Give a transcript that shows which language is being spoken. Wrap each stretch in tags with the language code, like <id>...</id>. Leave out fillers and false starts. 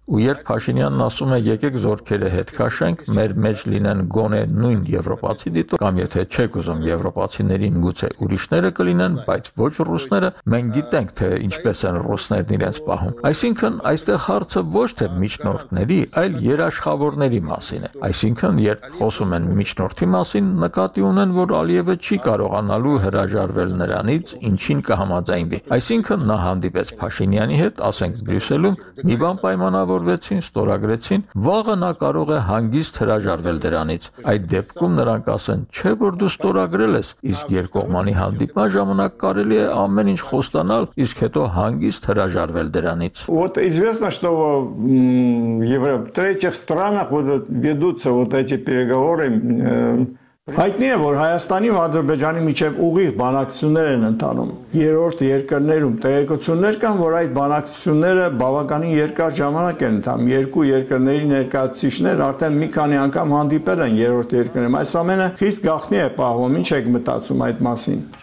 <hy>Ու երբ Փաշինյանն ասում է, եկեք զորքերը հետ քաշենք, մեր մեջ լինեն գոնե նույն եվրոպացի դիտո, կամ եթե չեք ուզում եվրոպացիներին, գուցե ուրիշները կլինեն, բայց ոչ ռուսները, մենք գիտենք, թե ինչպես են ռուսներն իրենց պահում։ Այսինքն, այստեղ հարցը ոչ թե միջնորդների, այլ երաշխավորների մասին է։ Այսինքն, երբ խոսում են միջնորդի մասին, նկատի ունեն, որ Ալիևը չի կարողանալու հրաժարվել նրանից, ինչին կհամաձայնվի։ Այսինքն, նա հանդիպեց Փաշինյանի հետ, ասենք Բրյուսելում, մի բան պայմանավորվեցին, ստորագրեցին, վաղը նա կարող է հանգիստ հրաժարվել դրանից։ Այդ դեպքում նրանք ասեն, չէ, որ դու ստորագրել ես, իսկ երկկողմանի հանդիպման ժամանակ կարելի է ամեն ինչ խոստանալ, իսկ հետո հանգիստ հրաժարվել դրանից։</hy> <ru>Вот известно, что в Европе, в третьих странах вот ведутся вот эти переговоры</ru> <hy>Հայտնի է, որ Հայաստանի ու Ադրբեջանի միջև ուղիղ բանակցություններ են ընթանում երրորդ երկրներում։ Տեղեկություններ կան, որ այդ բանակցությունները բավականին երկար ժամանակ են ընթանում։ Երկու երկրների ներկայացուցիչներ արդեն մի քանի անգամ հանդիպել են երրորդ երկրներում։ Այս ամենը խիստ գաղտնի է պահվում։ Ինչ եք մտածում այդ մասին?</hy>